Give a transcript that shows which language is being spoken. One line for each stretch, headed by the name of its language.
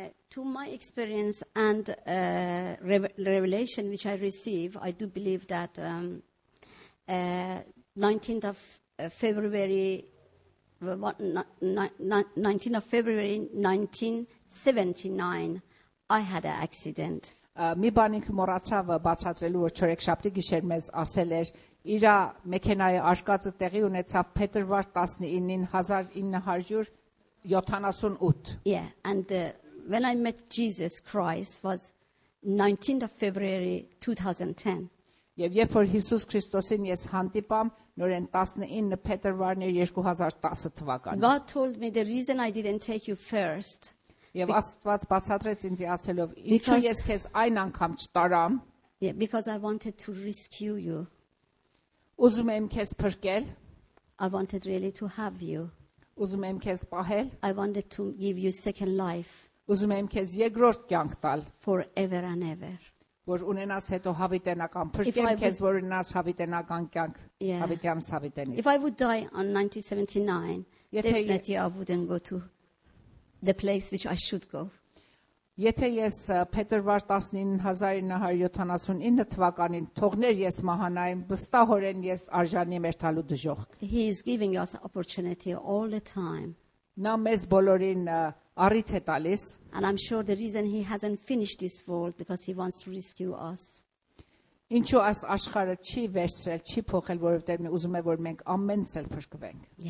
English: To my experience and revelation which I receive, I do believe that 19th of February, 19th of February 1979, I had an accident.
Armenian: Մի բանինք մոռացավ բացատրելու, որ չորեքշաբթի գիշեր մեզ ասել էր, իր մեքենայի աշկածը տեղի ունեցավ փետրվար 19-ին 1978.
English: Yeah, and when I met Jesus Christ was 19th of February 2010.
Armenian: Եվ երբ որ Հիսուս Քրիստոսին ես հանդիպամ նորեն 19 փետրվարին 2010 թվականին.
English: God told me the reason I didn't take you first.
Armenian: Եվ Աստված բացատրեց ինձ ասելով, ինչու ես քեզ այն անգամ չտարամ.
English: Yeah, because I wanted to rescue you.
Armenian: Ուզում եմ քեզ փրկել.
English: I wanted really to have you.
Armenian: Ուզում եմ քեզ պահել.
English: I wanted to give you second life.
Armenian: Ուզում եմ քեզ երկրորդ կյանք տալ.
English: Forever and ever.
Armenian: Որ ունենաս հետո հավիտենական, փրկեմ քեզ, որ ունենաս հավիտենական կյանք, հավիտյամս հավիտենի։
English: If I would die on 1979, definitely I wouldn't go to the place which I should go.
Armenian: Եթե ես փետրվար 19979 թվականին թողներ ես մահանայեմ, վստահորեն ես արժանի եմ ելնելու դժոխք։
English: He is giving us opportunity all the time.
Armenian: Նա մեզ բոլորին առիթ է տալիս։
English: And I'm sure the reason he hasn't finished this world because he wants to rescue us.
Armenian: Ինչու այս աշխարհը չի վերցրել, չի փոխել, որովհետև նա ուզում է, որ մենք ամենս էլ փրկվենք։